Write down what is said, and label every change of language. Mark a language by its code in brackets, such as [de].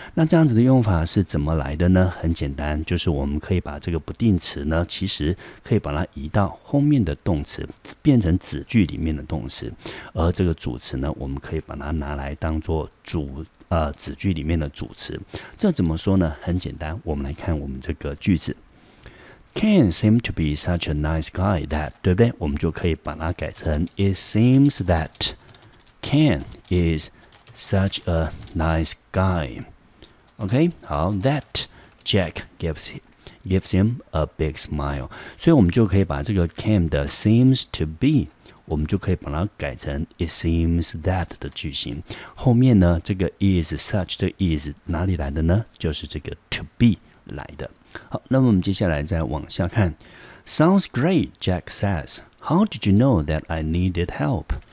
[zh] 那这样子的用法是怎么来的呢？很简单，就是我们可以把这个不定词呢，其实可以把它移到后面的动词，变成子句里面的动词，而这个主词呢，我们可以把它拿来当做子句里面的主词。这怎么说呢？很简单，我们来看我们这个句子。 [en] Ken seems to be such a nice guy that， [zh] 对不对？我们就可以把它改成 [en] It seems that Ken is such a nice guy。 OK， 好， That Jack gives him a big smile。 [zh] 所以我们就可以把这个 Ken 的 seems to be，我们就可以把它改成 it seems that 的句型。后面呢，这个 is such 的 is 哪里来的呢？就是这个 to be 来的。好，那么我们接下来再往下看。 [en] Sounds great, Jack says. How did you know that I needed help?